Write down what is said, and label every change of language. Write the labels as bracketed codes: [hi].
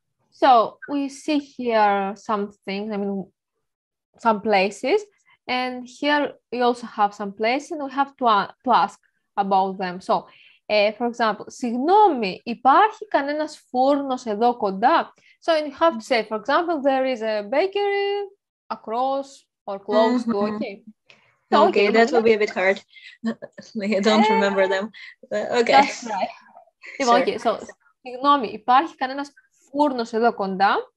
[en] So we see here some things, I mean, some places. And here we also have some places and we have to ask about them. So, for example, [el] συγγνώμη, υπάρχει κανένας φούρνος εδώ κοντά? [en] So you have to say, for example, there is a bakery across or close mm-hmm. to, okay? So, okay, that will be a bit hard. I don't remember them. Okay. That's right. Okay, so [el] συγγνώμη, υπάρχει κανένας φούρνος εδώ κοντά?